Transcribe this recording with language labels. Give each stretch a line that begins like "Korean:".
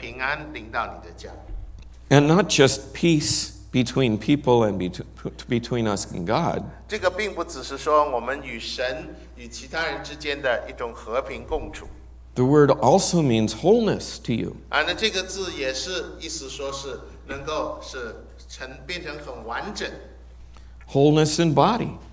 Chinese: 那在这个特别的情况之下，这句话也可以说是对那一家人说：“愿主的平安临到你的家。”
English: Not just peace between people and between us and God.
Chinese: 这个并不只是说我们与神与其他人之间的一种和平共处。
English: The word also means wholeness to you.
Chinese: 那这个字也是意思说是能够是成变成很完整。
English: Wholeness in body.